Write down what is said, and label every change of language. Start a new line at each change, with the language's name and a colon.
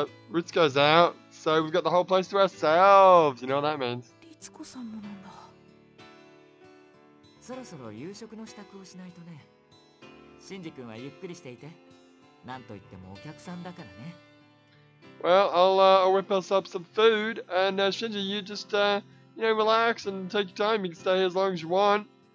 English: Ritsuko's out, so we've got the whole place to ourselves. You know what that means.
Japanese: Ritsuko-san もなんだ。そろそろ夕食の支度をしないとね。シンジ君はゆっくりしていて。なんといってもお客さんだからね。
English: Well, I'll whip us up some food, and Shinji, you just, you know, relax and take your time. You can stay here as long as you want.